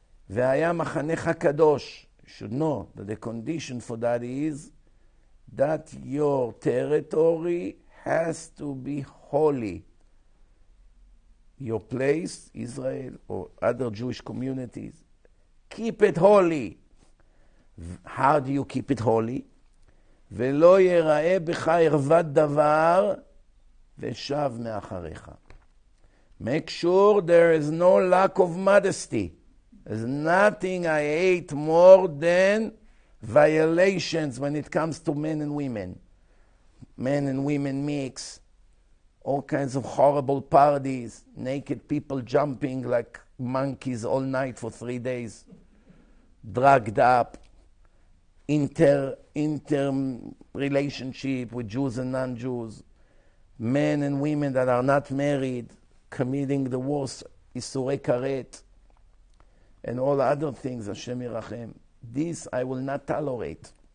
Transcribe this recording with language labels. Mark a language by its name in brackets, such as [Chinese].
[Hebrew] והיה מחנך הקדוש, [English] should know that the condition for that is that your territory has to be holy. Your place, Israel, or other Jewish communities, keep it holy. How do you keep it holy? [Hebrew] ולא יראה בך ערוות דבר ושב מאחריך. [English] Make sure there is no lack of modesty. There's nothing I hate more than violations when it comes to men and women. Men and women mix, all kinds of horrible parties, naked people jumping like monkeys all night for 3 days, drugged up, inter-relationship with Jews and non-Jews, men and women that are not married, committing the worst isurei karet, and all other things, Hashem Yirachem, this I will not tolerate.